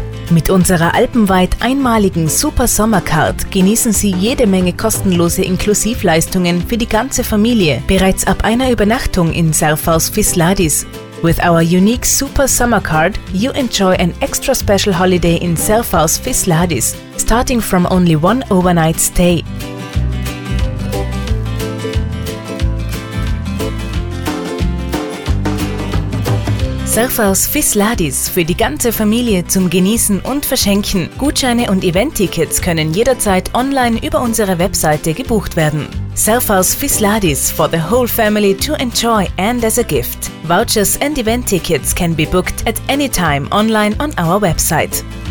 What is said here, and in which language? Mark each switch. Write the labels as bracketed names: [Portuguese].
[German] Mit unserer alpenweit einmaligen Super-Sommer-Card genießen Sie jede Menge kostenlose Inklusivleistungen für die ganze Familie, bereits ab einer Übernachtung in Surfhaus Fis Ladis. [English] With our unique Super-Sommer-Card, you enjoy an extra special holiday in Surfhaus Fis Ladis, starting from only one overnight stay. [German] Surfhaus Fis Ladis für die ganze Familie zum Genießen und Verschenken. Gutscheine und Event-Tickets können jederzeit online über unsere Webseite gebucht werden. [English] Surfhaus Fis Ladis for the whole family to enjoy and as a gift. Vouchers and Event-Tickets can be booked at any time online on our website.